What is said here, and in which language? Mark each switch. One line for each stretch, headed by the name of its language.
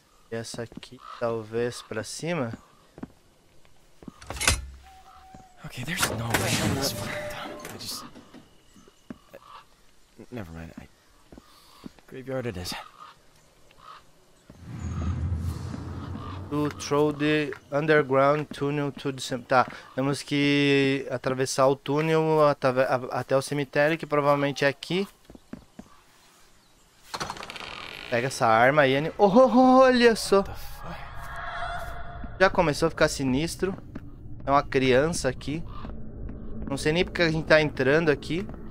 Portuguese: essa aqui talvez pra cima.
English: Okay, there's no way I'm this fucking dumb. I just... Never mind. Graveyard it is. To throw the underground tunnel to the cemetery.
Portuguese: Tá, temos que atravessar o túnel até o cemitério, que provavelmente é aqui. Pega essa arma aí, Annie. Oh, olha só! Já começou a ficar sinistro. É uma criança aqui. Não sei nem porque a gente tá entrando aqui.